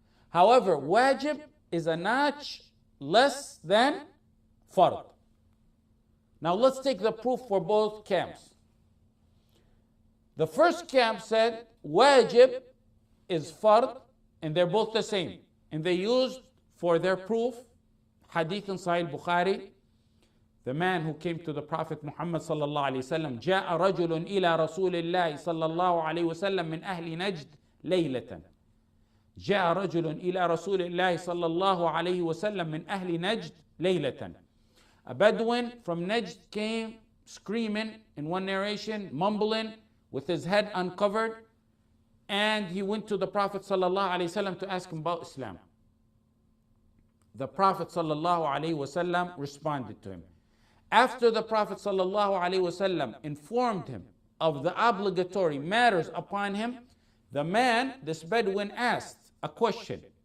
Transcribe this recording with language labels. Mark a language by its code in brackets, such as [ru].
[en] However, wajib is a notch less than fard. Now let's take the proof for both camps. The first camp said wajib is fard and they're both the same. And they used for their proof hadith in Sahih Bukhari, the man who came to the Prophet Muhammad sallallahu alayhi wa sallam, [ar] جَاءَ رَجُلٌ إِلَىٰ رَسُولِ اللَّهِ صَلَّى اللَّهُ عَلَيْهِ وَسَلَّمْ مِنْ أَهْلِ نَجْدْ لَيْلَةً جَاءَ رَجُلٌ إِلَىٰ رَسُولِ اللَّهِ صَلَّى اللَّهُ عَلَيْهِ وَسَلَّمْ مِنْ أَهْلِ نَجْدْ لَيْلَةً. [en] A Bedouin from Najd came screaming in one narration, mumbling with his head uncovered, and he went to the Prophet sallallahu alayhi wa sallam to ask him about Islam. The Prophet sallallahu alayhi wa sallam responded to him. After the Prophet sallallahu alayhi wa sallam informed him of the obligatory matters upon him, the man, this Bedouin, asked a question.